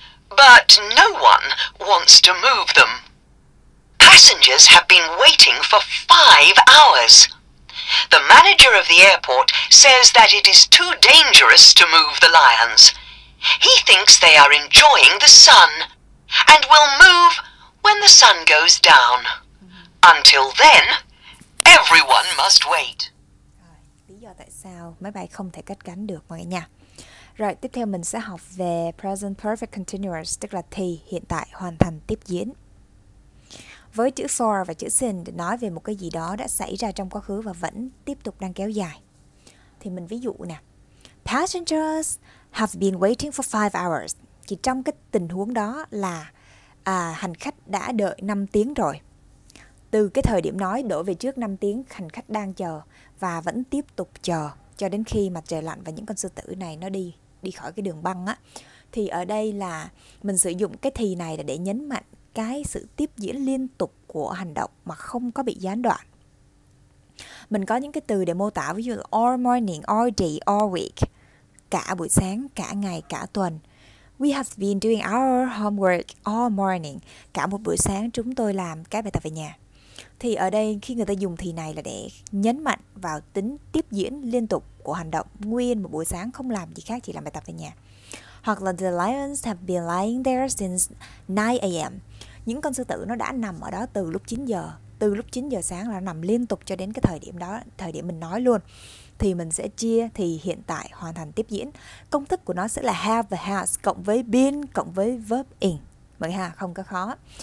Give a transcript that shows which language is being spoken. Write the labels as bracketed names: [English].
[English] But no one wants to move them. Passengers have been waiting for 5 hours. The manager of the airport says that it is too dangerous to move the lions. He thinks they are enjoying the sun and will move when the sun goes down. Until then, everyone must wait. [Vietnamese] Lý do tại sao máy bay không thể cất cánh được mọi người nha. Rồi, tiếp theo mình sẽ học về present perfect continuous, tức là thì hiện tại hoàn thành tiếp diễn. Với chữ for và chữ since nói về một cái gì đó đã xảy ra trong quá khứ và vẫn tiếp tục đang kéo dài. Thì mình ví dụ nè. [English] Passengers have been waiting for 5 hours. [Vietnamese] Thì trong cái tình huống đó là hành khách đã đợi 5 tiếng rồi. Từ cái thời điểm nói đổi về trước 5 tiếng, hành khách đang chờ và vẫn tiếp tục chờ cho đến khi mà trời lạnh và những con sư tử này nó đi khỏi cái đường băng á. Thì ở đây là mình sử dụng cái thì này là để nhấn mạnh cái sự tiếp diễn liên tục của hành động mà không có bị gián đoạn. mình có những cái từ để mô tả, ví dụ là [English] all morning, all day, all week. [Vietnamese] Cả buổi sáng, cả ngày, cả tuần. [English] We have been doing our homework all morning. [Vietnamese] Cả một buổi sáng chúng tôi làm cái bài tập về nhà. Thì ở đây khi người ta dùng thì này là để nhấn mạnh vào tính tiếp diễn liên tục của hành động nguyên một buổi sáng không làm gì khác chỉ làm bài tập về nhà. Hoặc là [English] the lions have been lying there since 9 a.m. [Vietnamese] Những con sư tử nó đã nằm ở đó từ lúc 9 giờ. Từ lúc 9 giờ sáng là nằm liên tục cho đến cái thời điểm đó, thời điểm mình nói luôn. Thì mình sẽ chia thì hiện tại hoàn thành tiếp diễn. Công thức của nó sẽ là have và has cộng với been cộng với verb in. Mọi người ha, không có khó.